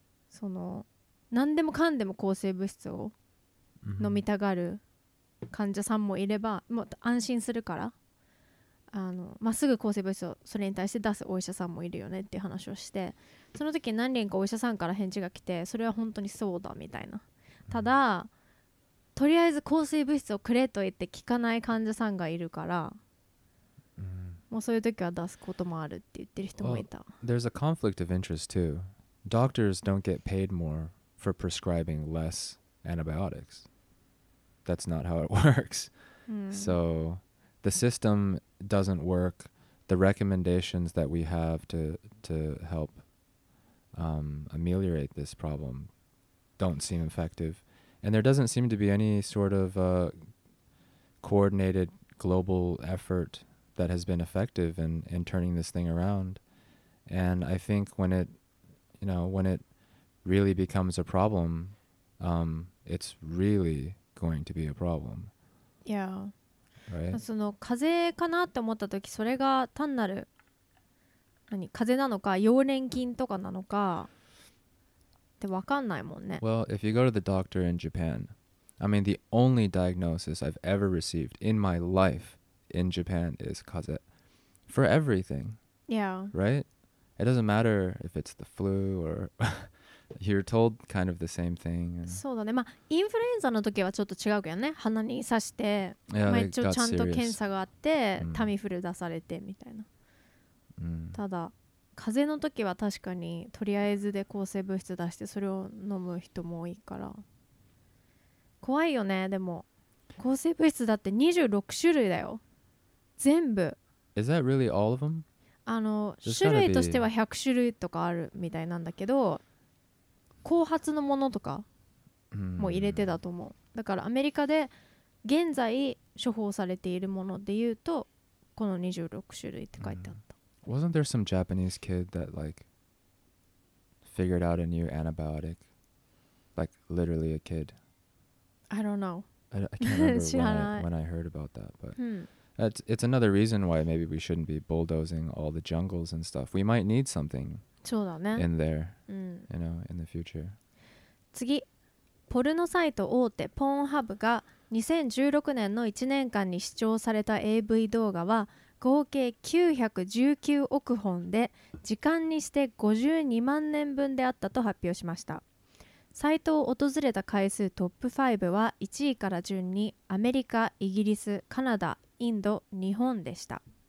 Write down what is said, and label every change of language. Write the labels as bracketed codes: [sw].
[ja] その何でもかんでも抗生物質を飲みたがる患者さんもいれば、もう安心するから、あの、まっすぐ抗生物質をそれに対して出すお医者さんもいるよねっていう話をして、その時何人かお医者さんから返事が来て、それは本当にそうだみたいな、ただとりあえず抗生物質をくれと言って効かない患者さんがいるから、もうそういう時は出すこともあるって言ってる人もいた。 [en] Well, there's a conflict of interest too. Doctors don't get paid more for prescribing less antibiotics. That's not how it works. So the systemdoesn't work, the recommendations that we have to help ameliorate this problem don't seem effective, and there doesn't seem to be any sort of coordinated global effort that has been effective in turning this thing around. And I think when it, you know, when it really becomes a problem, it's really going to be a problem. Yeah. Right? [ja] その風邪かなって思った時、それが単なる何風邪なのか、溶連菌とかなのかって分かんないもんね。 [en] Well, if you go to the doctor in Japan, I mean, the only diagnosis I've ever received in my life in Japan is 風邪 for everything. Yeah. Right? It doesn't matter if it's the flu or you're told kind of the same thing. [ja] そうだね。まあ、インフルエンザの時はちょっと違うけどね。鼻に刺して、 yeah, 一応ちゃんと検査があって、タミフル出されてみたいな。ただ風邪の時は確かにとりあえずで抗生物質出してそれを飲む人も多いから怖いよね。でも抗生物質だって26種類だよ全部。 [en] Is that really all of them? [ja] あの種類としては100種類とかあるみたいなんだけど後発のものとかも入れてだと思う。だからアメリカで現在処方されているもので言うとこの26種類って書いてあった。 [en] Wasn't there some Japanese kid that like figured out a new antibiotic? Like literally a kid. I don't know. I can't remember when I heard about that. But it's another reason why maybe we shouldn't be bulldozing all the jungles and stuff. We might need something in there, you know, in the future. [ja] 次、ポルノサイト大手ポーンハブが2016年の1年間に視聴された AV 動画は合計919億本で時間にして52万年分であったと発表しました。サイトを訪れた回数トップ5は1位から順にアメリカ、イギリス、カナダ、インド、日本でした。